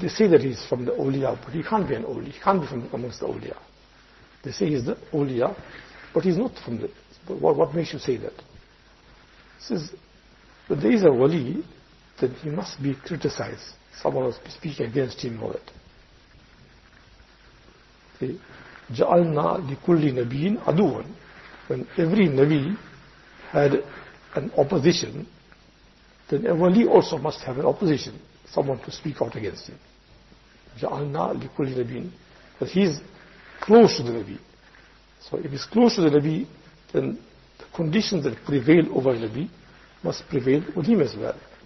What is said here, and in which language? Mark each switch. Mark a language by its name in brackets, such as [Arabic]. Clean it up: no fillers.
[English] They say that he's from the awliya, but he can't be an awliya. He can't be from amongst the awliya. They say he's the awliya, but he's not from the... But what makes you say that? He says, but there is a wali, then he must be criticized. Someone must be speaking against him and all that. See, [Arabic] جَعَلْنَا لِكُلِّ نَبِيٍ عَدُوًا. [English] When every Nabi had an opposition, then a wali also must have an opposition, someone to speak out against him. [Arabic] جَعَلْنَا لِكُلِّ نَبِيٍ. [English] But he is close to the Nabi. So if he's close to the Nabi, then the conditions that prevail over the Nabi must prevail with him as well.